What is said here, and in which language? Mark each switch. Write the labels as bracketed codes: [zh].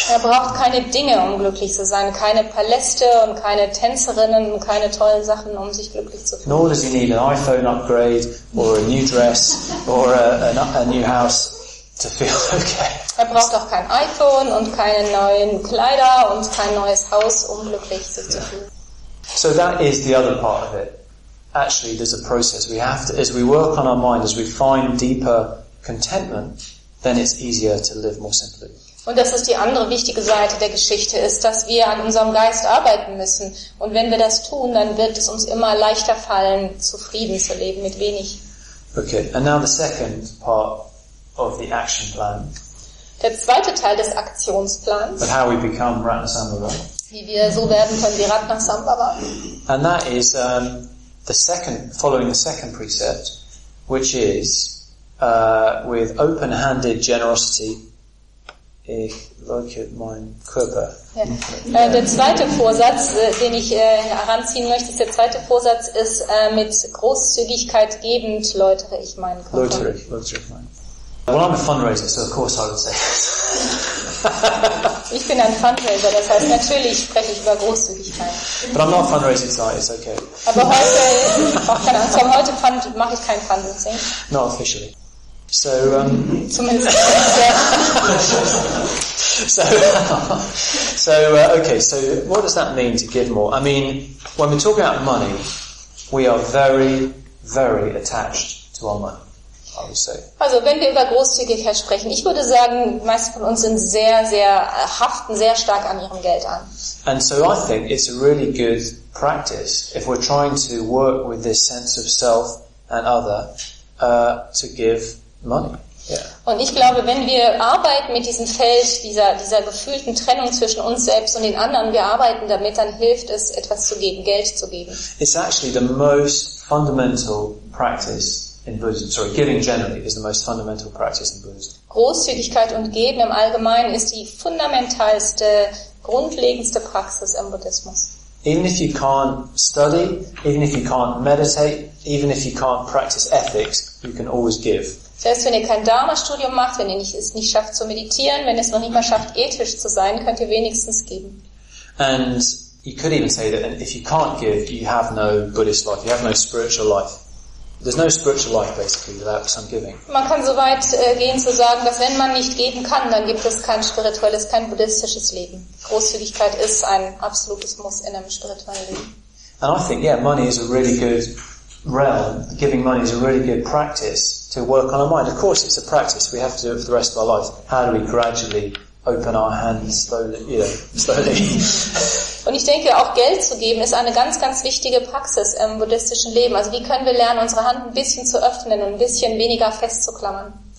[de] Er braucht keine Dinge, um glücklich zu sein. Keine Paläste und keine Tänzerinnen und keine tollen Sachen, um sich glücklich zu fühlen. [en] Nor does he need an iPhone upgrade or a new dress or a new house to feel okay. [de] Er braucht auch kein iPhone und keine neuen Kleider und kein neues Haus, um glücklich sich zu fühlen. [en] So that is the other part of it. Actually, there's a process. We have to, as we work on our mind, as we find deeper contentment, then it's easier to live more simply. [de] Und das ist die andere wichtige Seite der Geschichte, ist, dass wir an unserem Geist arbeiten müssen. Und wenn wir das tun, dann wird es uns immer leichter fallen, zufrieden zu leben mit wenig. [en] Okay, and now the second part of the action plan. [de] Der zweite Teil des Aktionsplans. [en] But how we become Ratnasambhava. [de] Wie wir so werden können wie Ratnasambhava. [en] And that is the second, following the second precept, which is with open-handed generosity. [de] Ich leuke meinen Körper. Ja. Der zweite Vorsatz, den ich heranziehen möchte, ist der zweite Vorsatz, ist mit Großzügigkeit gebend läutere ich meinen Körper. [en] Well, I'm a fundraiser, so of course I would say that. [de] Ich bin ein Fundraiser, das heißt natürlich spreche ich über Großzügigkeit. [en] But I'm not fundraising tonight, it's okay. [de] Aber heute, auch keine Angst, heute mache ich kein Fundraising. [en] Not officially. So, okay, so what does that mean to give more? I mean, when we talk about money, we are very, very attached to our money, I would say. [de] Also, wenn wir über Großzügigkeit sprechen, ich würde sagen, die meisten von uns sind sehr, sehr, haften sehr stark an ihrem Geld an. [en] And so I think it's a really good practice, if we're trying to work with this sense of self and other, to give money. Yeah. [de] Und ich glaube, wenn wir arbeiten mit diesem Feld, dieser gefühlten Trennung zwischen uns selbst und den anderen, wir arbeiten damit, dann hilft es, etwas zu geben, Geld zu geben. [en] It's actually the most fundamental practice in Buddhism. Sorry, giving generally is the most fundamental practice in Buddhism. [de] Großzügigkeit und Geben im Allgemeinen ist die fundamentalste, grundlegendste Praxis im Buddhismus. [en] Even if you can't study, even if you can't meditate, even if you can't practice ethics, you can always give. [de] Selbst wenn ihr kein Dharma-Studium macht, wenn ihr es nicht schafft zu meditieren, wenn ihr es noch nicht mal schafft, ethisch zu sein, könnt ihr wenigstens geben. [en] And you could even say that if you can't give, you have no Buddhist life, you have no spiritual life. There's no spiritual life, basically, without some giving. [de] Man kann so weit gehen zu sagen, dass wenn man nicht geben kann, dann gibt es kein spirituelles, kein buddhistisches Leben. Großzügigkeit ist ein absolutes Muss in einem spirituellen Leben. [en] And I think, yeah, money is a really good realm. Giving money is a really good practice to work on our mind. Of course, it's a practice we have to do it for the rest of our life. How do we gradually open our hands slowly, slowly? [de] Und ich denke, auch Geld zu geben ist eine ganz, ganz wichtige Praxis im buddhistischen Leben. Also wie können wir lernen, unsere Hand ein bisschen zu öffnen und ein bisschen weniger festzuklammern?